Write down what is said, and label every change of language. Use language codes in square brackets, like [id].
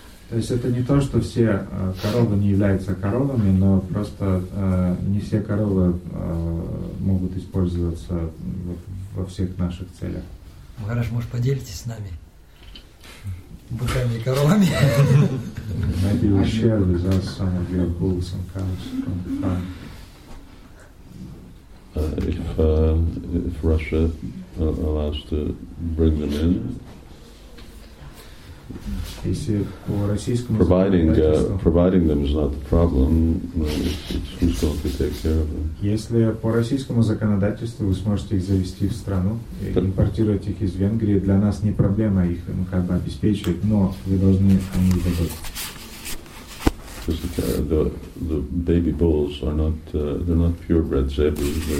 [ru] То есть это не то, что все коровы не являются коровами, но просто не все коровы могут использоваться во всех наших целях. Махарадж, может, поделитесь с нами быками и коровами? [en] Maybe we share with us some of your bulls and cows from the farm. If Russia allows to bring them in. Providing them is not the problem. It's who's going to take care of them. [ru] Если по российскому законодательству вы сможете их завести в страну, импортировать их из Венгрии, для нас не проблема их как бы обеспечивать, но вы должны о них заботиться. [en] The baby bulls are not they're not purebred zebus.